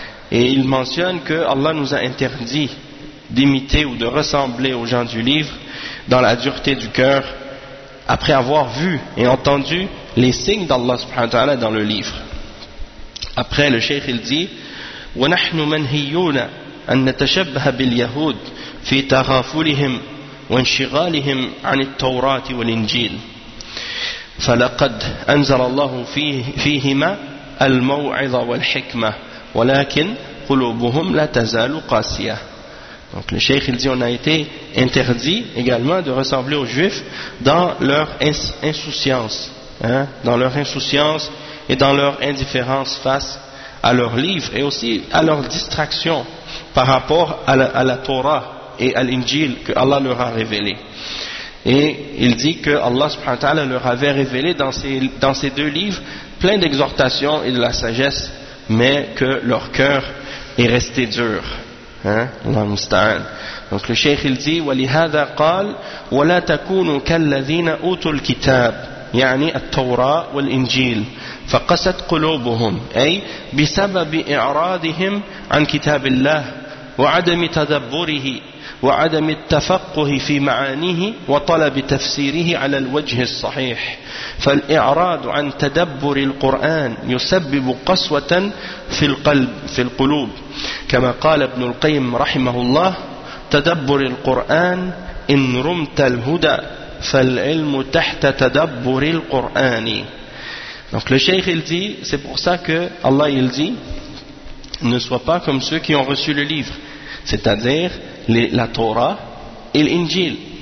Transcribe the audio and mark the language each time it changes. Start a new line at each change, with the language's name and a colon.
French: Et il mentionne que Allah nous a interdit d'imiter ou de ressembler aux gens du livre dans la dureté du cœur après avoir vu et entendu les signes d'Allah subhanahu wa ta'ala dans le livre. Après le cheikh il dit
Arabic: wa nahnu manhiyuna أن نتشبه باليهود في تغافلهم وانشغالهم عن التوراة والإنجيل، فلقد أنزل الله فيهما الموعظة والحكمة ولكن قلوبهم لا تزال قاسية.
French: Donc le cheikh il dit on a été interdit également de ressembler aux juifs dans leur insouciance, hein, dans leur insouciance et dans leur indifférence face à leurs livres et aussi à leur distraction par rapport à la Torah et à l'Injil que Allah leur a révélé. Et il dit que Allah subhanahu wa ta'ala leur avait révélé dans ces deux livres plein d'exhortations et de la sagesse, mais que leur cœur est resté dur. Hein? Donc le cheikh il dit
Arabic: ولهذا قال ولا تكونوا كالذين أوتوا الكتاب يعني التوراة والإنجيل فقست قلوبهم أي بسبب إعراضهم عن كتاب الله وعدم تدبره وعدم التفقه في معانيه وطلب تفسيره على الوجه الصحيح فالإعراض عن تدبر القرآن يسبب قسوة في القلب في القلوب كما قال ابن القيم رحمه الله تدبر القرآن إن رمت الهدى فالعلم تحت تدبر القرآن.
French: Donc le cheikh il dit, c'est pour ça que Allah il dit ne sois pas comme ceux qui ont reçu le livre, c'est-à-dire la Torah et l'Injil.